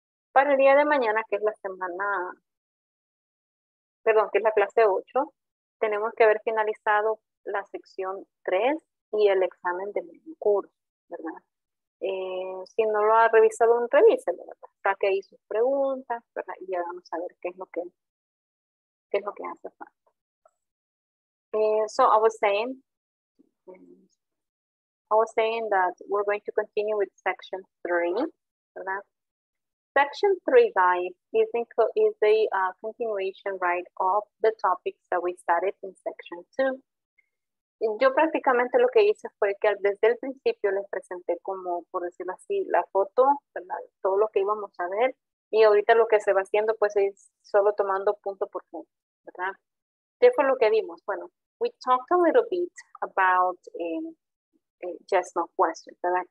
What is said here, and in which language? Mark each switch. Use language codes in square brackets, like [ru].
[es] Para el día de mañana, que es la semana... perdón, que es la clase 8, tenemos que haber finalizado la sección 3 y el examen de medio curso, ¿verdad? Si no lo ha revisado, revíselo, ¿verdad? Saque ahí sus preguntas, ¿verdad? Y ya vamos a ver qué es lo que hace falta. [en] So I was saying that we're going to continue with section 3, ¿verdad? Section 3, guys, is the continuation, right, of the topics that we started in section 2. [es] Yo prácticamente lo que hice fue que desde el principio les presenté como, por decirlo así, la foto, ¿verdad? Todo lo que íbamos a ver. Y ahorita lo que se va haciendo pues es solo tomando punto por punto, ¿verdad? ¿Qué fue lo que vimos? Bueno, [en] we talked a little bit about yes, no questions, [es] ¿verdad?